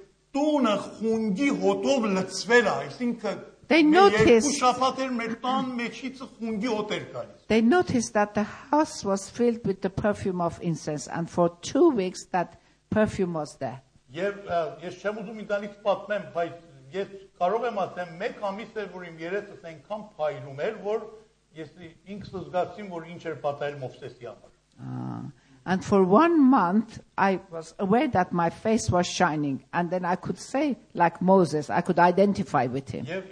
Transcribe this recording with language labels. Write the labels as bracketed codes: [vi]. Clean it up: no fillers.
[hy] տունը խունգի հոտով լցվել է, այսինքն [en] They noticed [hy] երկու շաբաթեր մեր տան մեջից խունգի հոտ էր գալիս. [en] They noticed that the house was filled with the perfume of incense and for 2 weeks that perfume was there. [hy] Եվ ես չեմ ուզում ինձանից պատմեմ, բայց ես կարող եմ ասեմ, մեկ ամիս էր, որ իմ երեսս այնքան փայլում էր, որ ես ինքս զգացին, որ ինչ էր պատահել Մովսեսի համար. [en] And for 1 month, I was aware that my face was shining. And then I could say, like Moses, I could identify with him.